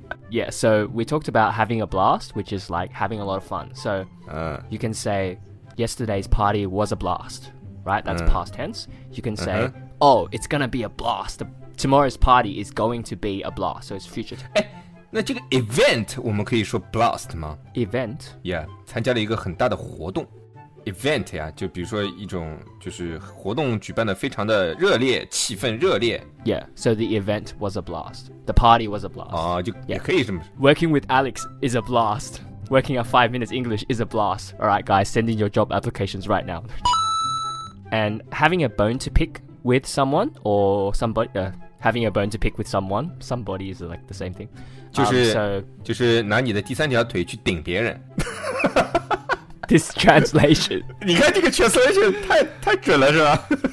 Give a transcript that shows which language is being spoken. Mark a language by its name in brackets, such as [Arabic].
[English] Yeah, so we talked about having a blast, which is like having a lot of fun. So, you can say yesterday's party was a blast, right? That's past tense. You can say, oh, it's gonna be a blast. Tomorrow's party is going to be a blast. So it's future tense. [Chinese] 那这个 event 我们可以说 blast 吗 [English] event [Chinese] yeah 参加了一个很大的活动 event 呀就比如说一种就是活动举办的非常的热烈气氛热烈 [English] yeah so the event was a blast the party was a blast [Chinese] 啊就也可以这么 [English] working with Alex is a blast working at 5 minutes English is a blast alright guys send in your job applications right now and having a bone to pick with someone or somebody having a bone to pick with someone somebody is like the same thing [Chinese] 就是拿你的第三条腿去顶别人 [English] This translation [Chinese] 你看这个 translation 太准了是吧